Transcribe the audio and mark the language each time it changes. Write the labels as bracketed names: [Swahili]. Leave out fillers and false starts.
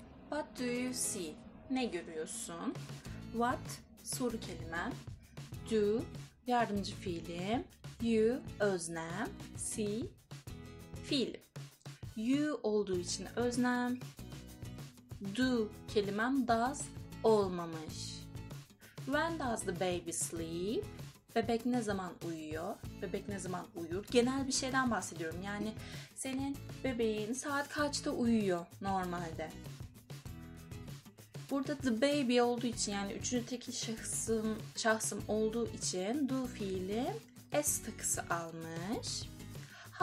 [English] What do you see? [Turkish] Ne görüyorsun? [English] What, soru kelimem. [Turkish] Do, yardımcı fiilim. You, öznem. See, fiilim. You olduğu için öznem. Do kelimem does olmamış. [English] When does the baby sleep? [Turkish] Bebek ne zaman uyuyor? Bebek ne zaman uyur? Genel bir şeyden bahsediyorum. Yani senin bebeğin saat kaçta uyuyor normalde? Burada the baby olduğu için, yani üçüncü tekil şahsım olduğu için do fiili s takısı almış. How